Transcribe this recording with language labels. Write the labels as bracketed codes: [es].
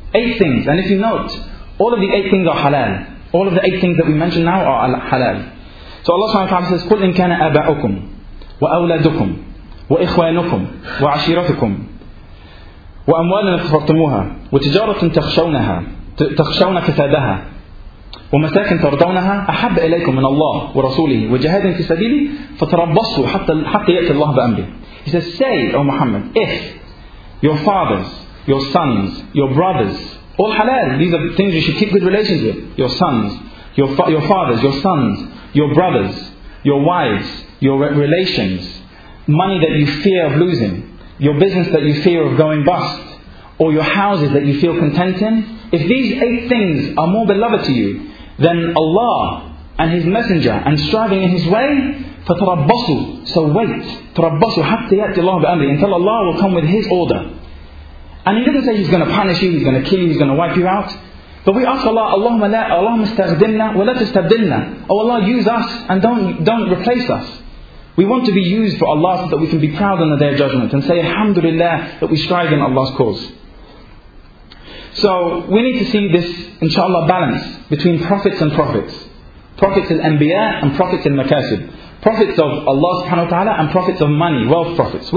[en] 8 things, and if you note, all of the 8 things are halal. All of the 8 things that we mentioned now are halal. So Allah subhanahu wa ta'ala says, [ar] قُلْ إِنْ كَانَ أَبَعُكُمْ وَأَوْلَدُكُمْ وَإِخْوَانُكُمْ وَعَشِيرَتُكُمْ وَأَمْوَالٍ اقْتَرَفْتُمُوهَا وَتِجَارَةٍ تَخْشَوْنَ كَسَادَهَا ومساكن ترضونها أحب إليكم من الله ورسوله وجهاد في سبيله فتربصوا حتى يأتي الله بأمره. [en] He says, say, O Muhammad, if your fathers, your sons, your brothers, all halal, these are the things you should keep good relations with, your sons, your fathers, your sons, your brothers, your wives, your relations, money that you fear of losing, your business that you fear of going bust, or your houses that you feel content in, if these 8 things are more beloved to you than Allah and His Messenger and striving in His way, فَتَرَبَّصُوا, so wait, [ar] تَرَبَّصُوا حَتَّى يَأْتِ اللَّهُ بِأَمْرِهِ, [en] until Allah will come with His order. And He doesn't say He's going to punish you, He's going to kill you, He's going to wipe you out. But we ask Allah, [ar] اللهم لا, اللهم استخدمنا ولا تستبدلنا. [en] Oh Allah, use us and don't replace us. We want to be used for Allah so that we can be proud on the Day of Judgment and say Alhamdulillah that we strive in Allah's cause. So we need to see this, inshallah, balance between prophets and prophets. Prophets in Anbiya and prophets in Makasib. Prophets of Allah subhanahu wa ta'ala and prophets of money, wealth prophets.